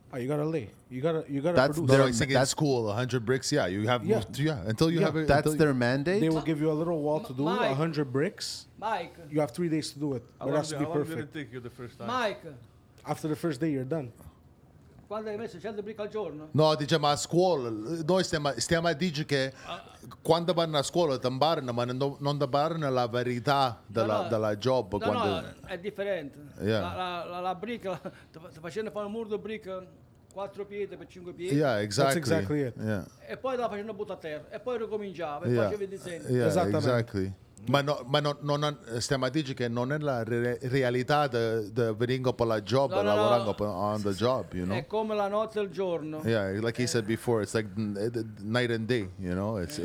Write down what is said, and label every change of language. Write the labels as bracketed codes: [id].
[en] Oh, you got to lay. You got to produce. No, that's cool. 100 bricks, yeah. You have until you have it. That's their mandate? They will give you a little wall to do, Mike. 100 bricks. Mike. You have 3 days to do it. It has to be perfect. How long did it take you the first time? Mike. After the first day, you're done. [it] Quando hai messo 100 brick al giorno? No, diciamo a scuola. Noi stiamo a dire che quando vanno a scuola ti imparano, ma non ti imparano la verità della job. No, quando no, è differente. [en] Yeah. [it] La brick, sto facendo fare un muro di brick 4 piedi per 5 piedi. [en] Yeah, exactly. That's exactly it. Yeah. [it] E poi la facendo butta a terra. E poi ricominciava e facevi il disegno. [en] Yeah, exactly. [it] Ma non stiamo a dire che non è la realtà di venire per la job, no, lavorando no. [en] On the job, you know? [it] È come la notte e il giorno. [en] Yeah, like he said before, it's like night and day, you know?